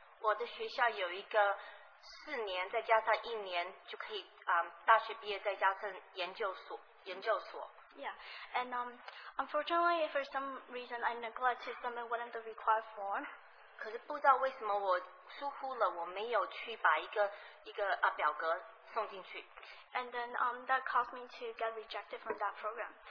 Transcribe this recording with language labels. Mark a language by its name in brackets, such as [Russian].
[Chinese] 我的学校有一个4年再加上1年就可以 大学毕业再加上研究所。 [English] Yeah, and unfortunately, for some reason, I neglected some of one of the required forms. [Chinese] 可是不知道为什么我疏忽了，我没有去把一个表格送进去。And [English] then that caused me to get rejected from that program.